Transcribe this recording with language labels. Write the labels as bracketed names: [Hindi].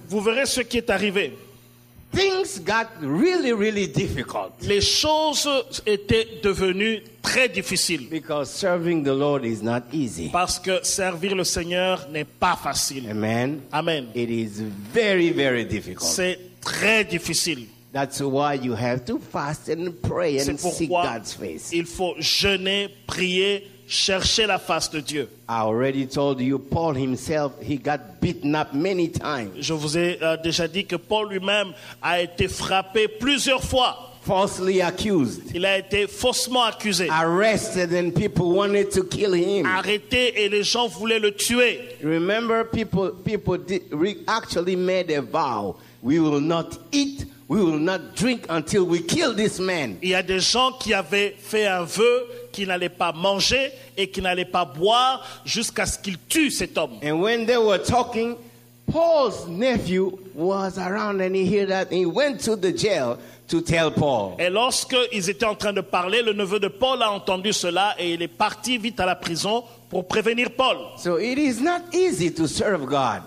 [French] Vous verrez ce qui est arrivé. [English] Things got really, really difficult. [French] Les choses étaient devenues très difficiles. [English] Because serving the Lord is not easy. [French] Parce que servir le Seigneur n'est pas facile. [English] Amen. [French] Amen. [English] It is very, very difficult. [French] C'est très difficile. [English] That's why you have to fast and pray and seek God's face. [French] Il faut jeûner, prier, chercher la face de Dieu. [English] I already told you, Paul himself, he got beaten up many times. [French] Je vous ai déjà dit que Paul lui-même a été frappé plusieurs fois. [English] Falsely accused. [French] Il a été faussement accusé. [English] Arrested and people wanted to kill him. [French] Arrêté et les gens voulaient le tuer. [English] Remember, people actually made a vow. We will not eat, we will not drink until we kill this man. [French] Il y a des gens qui avaient fait un vœu qui n'allaient pas manger et qui n'allaient pas boire jusqu'à ce qu'ils tuent cet homme. [English] And when they were talking, Paul's nephew was around and he heard that he went to the jail to tell Paul. [French] Et lorsque ils étaient en train de parler, le neveu de Paul a entendu cela et il est parti vite à la prison pour prévenir Paul. [English] So it is not easy to serve God.